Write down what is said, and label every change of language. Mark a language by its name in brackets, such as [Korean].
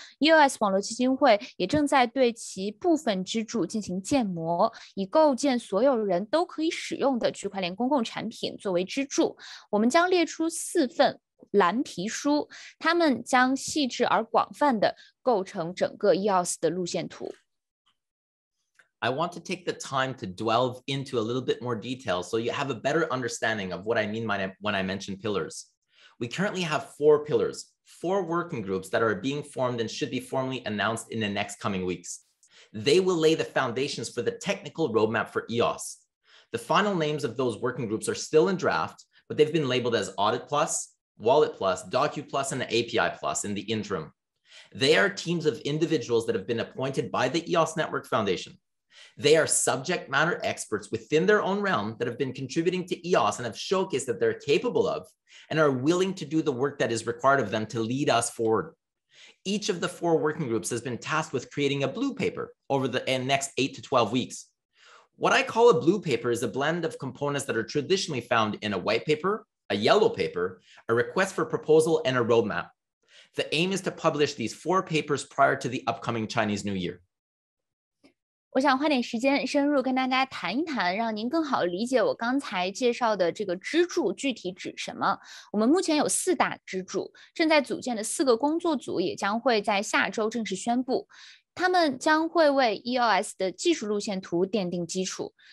[Chinese] EOS 网络基金会也正在对其部分支柱进行建模，以构建所有人都可以使用的区块链公共产品作为支柱。我们将列出四份蓝皮书，他们将细致而广泛地构成整个 EOS 的路线图。 [English] I want to take the time to delve into a little bit more detail so you have a better understanding of what I mean when I mention pillars. We currently have four pillars, four working groups that are being formed and should be formally announced in the next coming weeks. They will lay the foundations for the technical roadmap for EOS. The final names of those working groups are still in draft, but they've been labeled as Audit Plus,Wallet Plus, Docu Plus, and API Plus in the interim. They are teams of individuals that have been appointed by the EOS Network Foundation. They are subject matter experts within their own realm that have been contributing to EOS and have showcased that they're capable of and are willing to do the work that is required of them to lead us forward. Each of the four working groups has been tasked with creating a blue paper over the next 8 to 12 weeks. What I call a blue paper is a blend of components that are traditionally found in a white paper,a yellow paper, a request for proposal, and a roadmap. The aim is to publish these four papers prior to the upcoming Chinese New Year. [Chinese] 我想花点时间深入跟大家谈一谈，让您更好理解我刚才介绍的这个支柱具体指什么。我们目前有四大支柱，正在组建的四个工作组也将会在下周正式宣布。他们将会为 EOS 的技术路线图奠定基础。